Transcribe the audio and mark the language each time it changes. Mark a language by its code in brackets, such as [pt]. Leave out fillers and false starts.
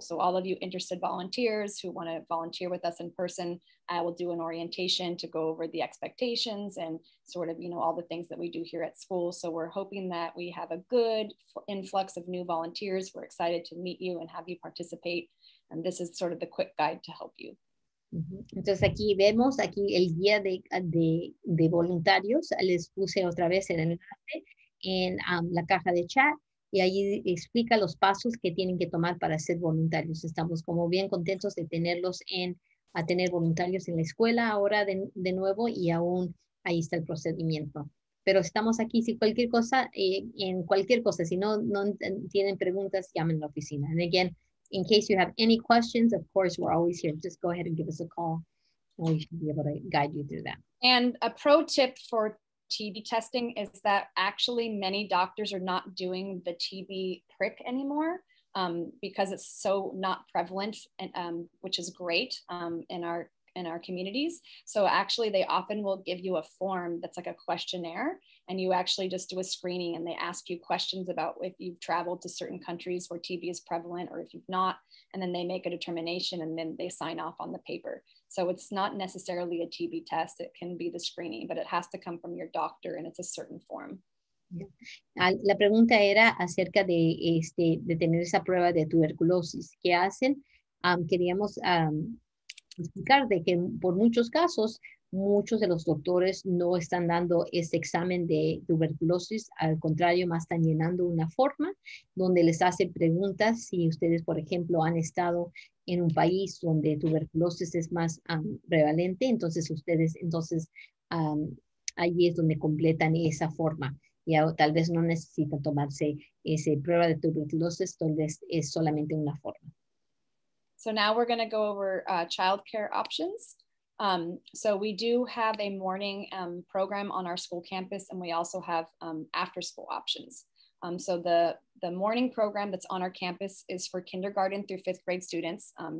[en] So all of you interested volunteers who want to volunteer with us in person, I will do an orientation to go over the expectations and sort of, all the things that we do here at school. So we're hoping that we have a good influx of new volunteers. We're excited to meet you and have you participate. And this is sort of the quick guide to help you. [es] Entonces aquí vemos aquí el guía de voluntarios. Les puse otra vez el enlace en la caja de chat. Y ahí explica los pasos que tienen que tomar para ser voluntarios. Estamos como bien contentos de tenerlos a tener voluntarios en la escuela ahora de nuevo, y aún ahí está el procedimiento. Pero estamos aquí, si cualquier cosa, en cualquier cosa, si no tienen preguntas, llamen a la oficina. [en] And again, in case you have any questions, of course, we're always here. Just go ahead and give us a call. And we should be able to guide you through that. And a pro tip for TB testing is that actually many doctors are not doing the TB prick anymore because it's so not prevalent, and which is great in our communities. So actually they often will give you a form that's like a questionnaire, and you actually just do a screening, and they ask you questions about if you've traveled to certain countries where TB is prevalent or if you've not, and then they make a determination and then they sign off on the paper. So it's not necessarily a TB test. It can be the screening, but it has to come from your doctor, and it's a certain form. Yeah. [es] La pregunta era acerca de de tener esa prueba de tuberculosis. ¿Qué hacen? Queríamos explicar de que por muchos casos, muchos de los doctores no están dando ese examen de tuberculosis. Al contrario, más están llenando una forma donde les hace preguntas si ustedes, por ejemplo, han estado en un país donde tuberculosis es más prevalente. Entonces, ustedes, allí es donde completan esa forma. Y tal vez no necesitan tomarse esa prueba de tuberculosis, tal vez es solamente una forma. [en] So now we're going to go over childcare options. So we do have a morning program on our school campus, and we also have after school options. So the morning program that's on our campus is for kindergarten through fifth grade students.